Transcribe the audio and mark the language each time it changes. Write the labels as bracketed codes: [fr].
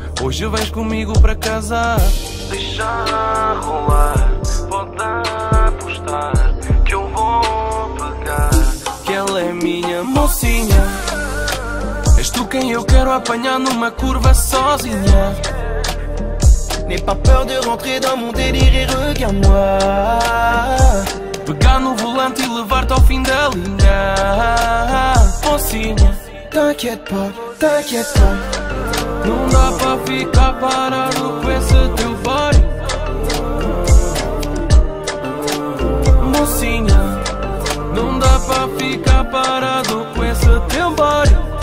[pt] Hoje vais comigo para casa. Deixa rolar. Pode apostar. Que eu vou pegar. Que ela é minha mocinha. És tu quem eu quero apanhar numa curva sozinha. [fr] N'aie pas peur de rentrer dans mon délire et regarde-moi. [pt] Pegar no volante e levar-te ao fim da linha. Mocinha, [fr] t'inquiète pas, [pt] não dá pra ficar parado com esse teu body. Mocinha, não dá pra ficar parado com esse teu body.